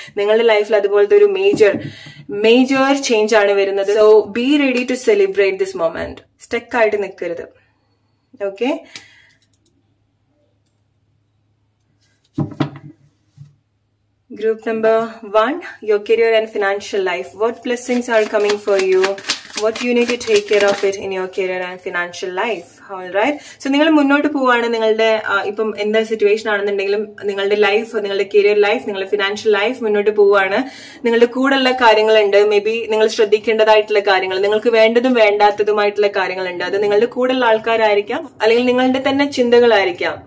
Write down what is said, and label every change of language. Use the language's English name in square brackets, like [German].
[Malayalam] നിങ്ങളുടെ ലൈഫിൽ അതുപോലത്തെ ഒരു മേജർ മേജർ ചേഞ്ച് ആണ് വരുന്നത്. [English] So be ready to celebrate this moment. [Malayalam] Stuck ആയിട്ട് നിൽക്കരുത്. [English] Okay, group number one, your career and financial life. What blessings are coming for you? What you need to take care of it in your career and financial life. All right. [Malayalam] So നിങ്ങൾ മുന്നോട്ട് പോവുകയാണ്, നിങ്ങളുടെ ഇപ്പം എന്താ situation ആണെന്നുണ്ടെങ്കിലും നിങ്ങളുടെ life, നിങ്ങളുടെ career life, നിങ്ങളുടെ ഫിനാൻഷ്യൽ ലൈഫ് മുന്നോട്ട് പോവുകയാണ്. നിങ്ങളുടെ കൂടെയുള്ള കാര്യങ്ങളുണ്ട്, മേ ബി നിങ്ങൾ ശ്രദ്ധിക്കേണ്ടതായിട്ടുള്ള കാര്യങ്ങൾ, നിങ്ങൾക്ക് വേണ്ടതും വേണ്ടാത്തതുമായിട്ടുള്ള കാര്യങ്ങളുണ്ട്. അത് നിങ്ങളുടെ കൂടെയുള്ള ആൾക്കാരായിരിക്കാം, അല്ലെങ്കിൽ നിങ്ങളുടെ തന്നെ ചിന്തകളായിരിക്കാം.